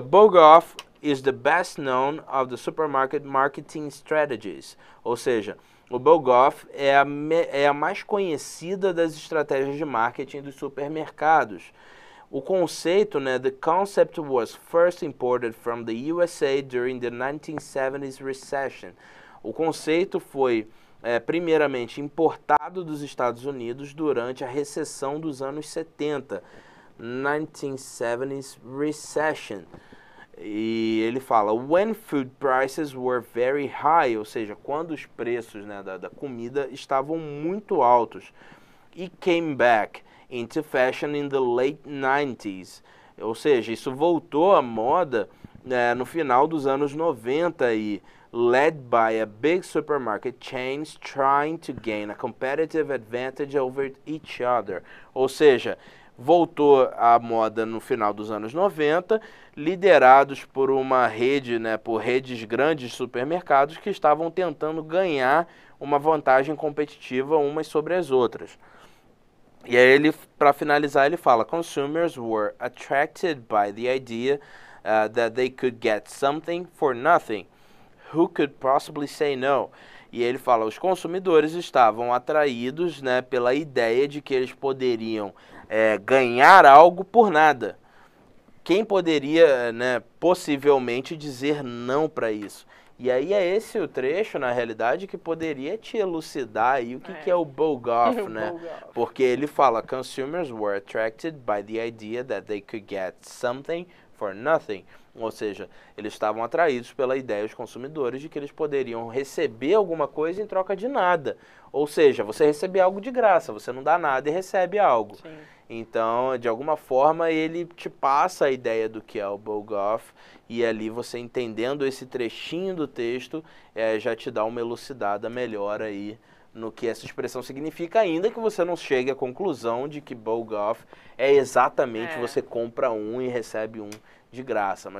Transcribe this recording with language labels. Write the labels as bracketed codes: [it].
[en] Bug off is the best known of the supermarket marketing strategies. [pt] Ou seja, o bug off é a mais conhecida das estratégias de marketing dos supermercados. O conceito, né, [en] the concept was first imported from the USA during the 1970s recession. [pt] O conceito foi, primeiramente, importado dos Estados Unidos durante a recessão dos anos 70. [en] 1970s recession. [pt] E ele fala, [en] when food prices were very high, [pt] ou seja, quando os preços, né, da comida estavam muito altos. [en] E came back into fashion in the late 90s. [pt] Ou seja, isso voltou à moda, né, no final dos anos 90 e... [en] led by a big supermarket chains trying to gain a competitive advantage over each other. [pt] Ou seja, voltou à moda no final dos anos 90, liderados por uma rede, né, por redes grandes de supermercados que estavam tentando ganhar uma vantagem competitiva umas sobre as outras. E aí ele, para finalizar, ele fala, [en] consumers were attracted by the idea that they could get something for nothing. Who could possibly say no? [pt] E ele fala, os consumidores estavam atraídos, né, pela ideia de que eles poderiam ganhar algo por nada. Quem poderia, né, possivelmente dizer não para isso? E aí é esse o trecho, na realidade, que poderia te elucidar aí o que é o bug off, né? Porque ele fala, [en] consumers were attracted by the idea that they could get something for nothing. [pt] Ou seja, eles estavam atraídos pela ideia dos consumidores de que eles poderiam receber alguma coisa em troca de nada. Ou seja, você recebe algo de graça, você não dá nada e recebe algo. Sim. Então, de alguma forma, ele te passa a ideia do que é o bug off, e ali você entendendo esse trechinho do texto, já te dá uma elucidada melhor aí no que essa expressão significa, ainda que você não chegue à conclusão de que bug off é exatamente você compra um e recebe um de graça.